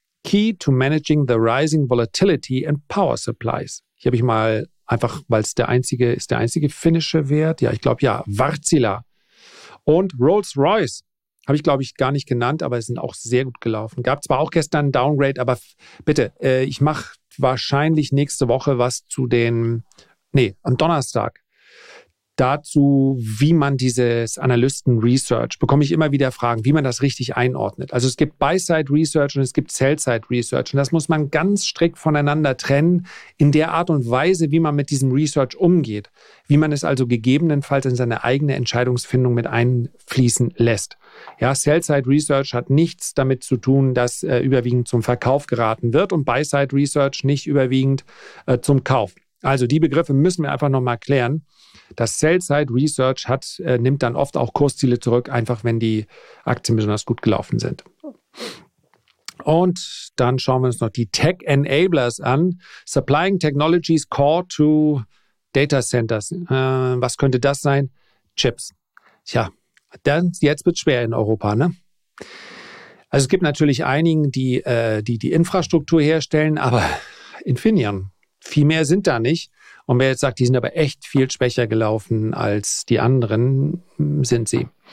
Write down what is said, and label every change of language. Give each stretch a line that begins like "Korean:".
English: Key to managing the rising volatility and power supplies.
German: Hier habe ich mal einfach, weil es der einzige finnische Wert. Ja, ich glaube ja, Wärtsilä. Und Rolls-Royce habe ich, glaube ich, gar nicht genannt, aber es sind auch sehr gut gelaufen. Gab zwar auch gestern ein Downgrade, aber ich mache wahrscheinlich nächste Woche was zu den, am Donnerstag. Dazu, wie man dieses Analysten-Research, bekomme ich immer wieder Fragen, wie man das richtig einordnet. Also es gibt Buy-Side-Research und es gibt Sell-Side-Research. Und das muss man ganz strikt voneinander trennen in der Art und Weise, wie man mit diesem Research umgeht. Wie man es also gegebenenfalls in seine eigene Entscheidungsfindung mit einfließen lässt. Ja, Sell-Side-Research hat nichts damit zu tun, dass überwiegend zum Verkauf geraten wird und Buy-Side-Research nicht überwiegend zum Kauf. Also die Begriffe müssen wir einfach nochmal klären. Das Sell-Side-Research nimmt dann oft auch Kursziele zurück, einfach wenn die Aktien besonders gut gelaufen sind. Und dann schauen wir uns noch die Tech-Enablers an.
English: Supplying Technologies Core to Data Centers.
German: Was könnte das sein? Chips. Tja, dann, jetzt wird es schwer in Europa, ne? Also es gibt natürlich einigen, die Infrastruktur herstellen, aber Infineon, viel mehr sind da nicht. Und wer jetzt sagt, die sind aber echt viel schwächer gelaufen als die anderen, sind sie.